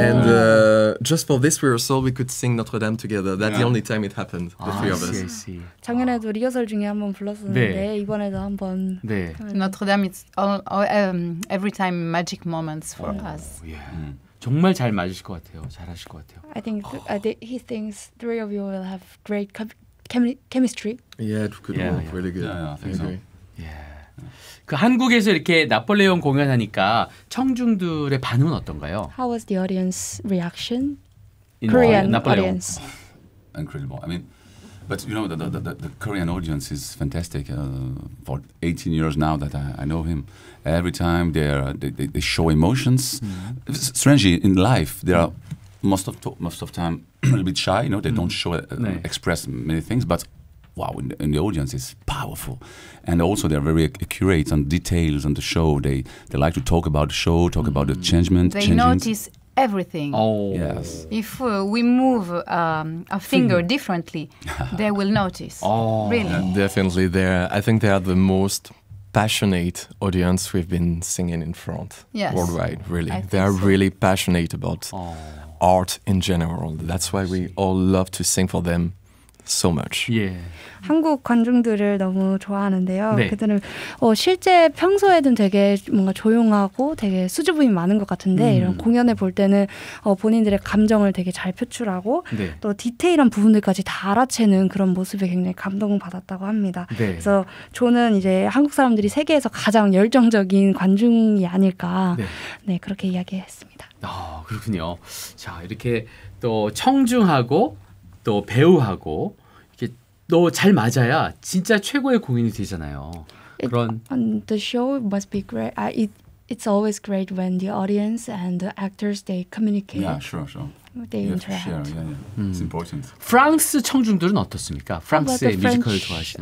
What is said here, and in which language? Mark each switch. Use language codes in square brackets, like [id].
[en] And just for this rehearsal, we could sing Notre Dame together. That's the only time it happened, the three of us. See, see. [ko] 작년에도 리허설 중에 한번 불렀었는데 이번에도 한번. 네. [en] Notre Dame, it's every time magic moments for us. Yeah. [ko] 정말 잘 맞으실 것 같아요. 잘 하실 것 같아요. [en] I think he thinks three of you will have great chemistry. Yeah, it could work really good. Yeah, I think so. Yeah. [ko] 그 한국에서 이렇게 나폴레옹 공연하니까 청중들의 반응은 어떤가요? [en] How was the audience reaction? In Korean audience. Incredible. I mean, but you know the Korean audience is fantastic. For 18 years now that I know him. Every time they show emotions. Mm-hmm. Strangely, in life they are most of time a little bit shy. You know, they don't show express many things. But wow, in the audience it's powerful, and also they are very accurate on details on the show. They like to talk about the show, talk about the changement. They notice everything. Oh yes. If we move a finger differently, they will notice. Oh really? Yeah, definitely. I think they are the most passionate audience we've been singing in front worldwide, really. They are really passionate about art in general. That's why we all love to sing for them so much. Yeah. [ko] 한국 관중들을 너무 좋아하는데요. 네. 그들은 실제 평소에는 되게 뭔가 조용하고 되게 수줍음이 많은 것 같은데 이런 공연에 볼 때는 본인들의 감정을 되게 잘 표출하고 또 디테일한 부분들까지 다 알아채는 그런 모습에 굉장히 감동을 받았다고 합니다. 네. 그래서 저는 이제 한국 사람들이 세계에서 가장 열정적인 관중이 아닐까 그렇게 이야기했습니다. 아 그렇군요. 자 이렇게 또 청중하고 또 배우하고 이렇게 또 잘 맞아야 진짜 최고의 공연이 되잖아요. [en] The show must be great. It's always great when the audience and the actors they communicate. Yeah, sure. They interact. Yeah, yeah. It's important. [ko] 프랑스 청중들은 어떻습니까? 프랑스의 뮤지컬을 좋아하시는